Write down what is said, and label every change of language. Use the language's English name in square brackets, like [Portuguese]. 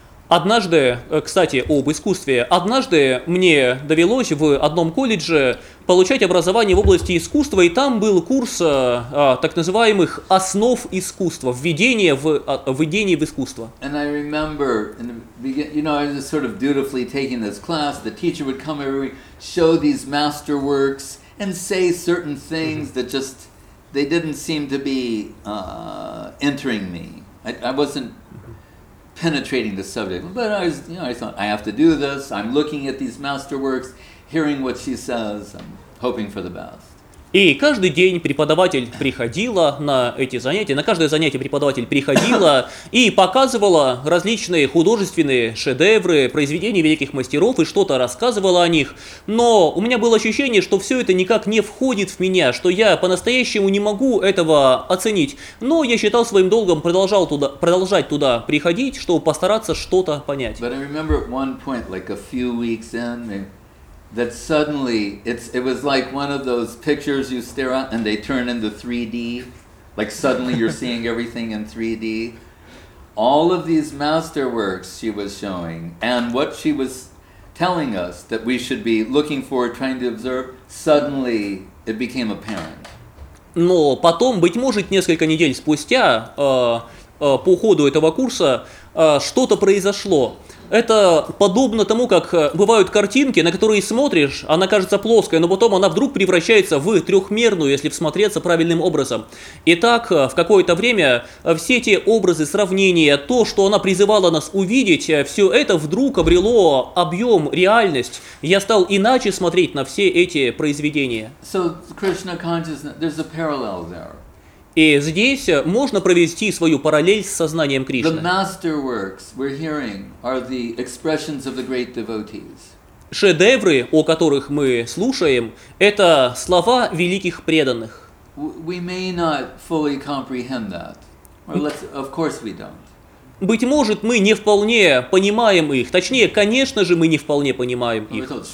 [Russian] Однажды, кстати, об искусстве. Однажды мне довелось в одном колледже получать образование в области искусства, и там был курс так называемых основ искусства, введение в искусство. [English] And I remember, you know, I was sort of dutifully taking this class. The teacher would come every week, show these masterworks, and say certain things that just they didn't seem to be entering me. I wasn't penetrating the subject, but I was, you know, I thought I have to do this. I'm looking at these masterworks, hearing what she says, I'm hoping for the best. [Russian] И каждый день преподаватель приходила на эти занятия, на каждое занятие преподаватель приходила и показывала различные художественные шедевры, произведения великих мастеров и что-то рассказывала о них. Но у меня было ощущение, что все это никак не входит в меня, что я по-настоящему не могу этого оценить. Но я считал своим долгом продолжать туда приходить, чтобы постараться что-то понять. [English] But I remember at one point, like a few weeks in, that suddenly it was like one of those pictures you stare at and they turn into 3D, like suddenly you're seeing everything in 3D. All of these masterworks she was showing and what she was telling us that we should be looking for, trying to observe, suddenly it became apparent. [Russian] Но потом, быть может, несколько недель спустя, по ходу этого курса, что-то произошло. Это подобно тому, как бывают картинки, на которые смотришь, она кажется плоской, но потом она вдруг превращается в трехмерную, если всмотреться правильным образом. И так, в какое-то время, все те образы, сравнения, то, что она призывала нас увидеть, все это вдруг обрело объем, реальность. Я стал иначе смотреть на все эти произведения. [English] So, Krishna consciousness, there's a parallel there. [Russian] И здесь можно провести свою параллель с сознанием Кришны. [English] The masterworks we're hearing are the expressions of the great devotees. [Russian] Шедевры, о которых мы слушаем, это слова великих преданных. [English] We may not fully comprehend that. Or let's, of course we don't. [Russian] Быть может, мы не вполне понимаем их. Точнее, конечно же, мы не вполне понимаем их.